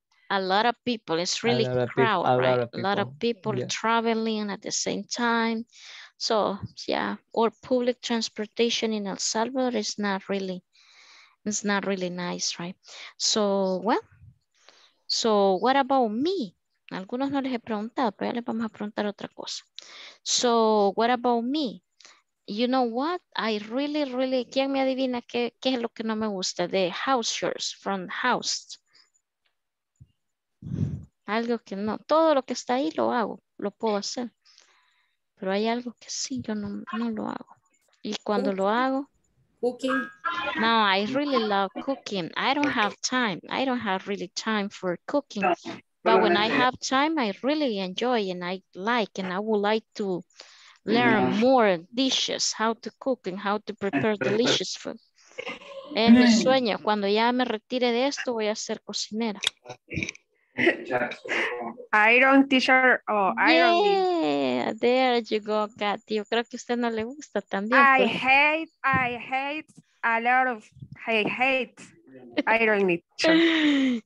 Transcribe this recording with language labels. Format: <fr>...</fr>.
<en>A lot of people, it's really crowded, right? A lot of people, yeah. Traveling at the same time. So yeah, or public transportation in El Salvador is not really, it's not really nice, right? So, well, so what about me?</en> <es>Algunos no les he preguntado, pero ya les vamos a preguntar otra cosa.</es> <en>So, what about me? You know what? I really, really, ¿quién me adivina qué, qué es lo que no me gusta? The house chores, from house.</en> <es>Algo que no, todo lo que está ahí lo hago, lo puedo hacer. Pero hay algo que sí, yo no, no lo hago. Y cuando lo hago...</es> <en>Cooking. No, I really love cooking. I don't have time. I don't have really time for cooking. But when I have time, I really enjoy and I like, and I would like to learn more dishes, how to cook and how to prepare delicious food.</en> <es>Es mi sueño. Cuando ya me retire de esto, voy a ser cocinera.</es> <en>Iron teacher. Oh, yeah, iron. There you go, Kathy.</en> <es>Yo creo que a usted no le gusta también.</es> <en>I hate iron teacher.</en>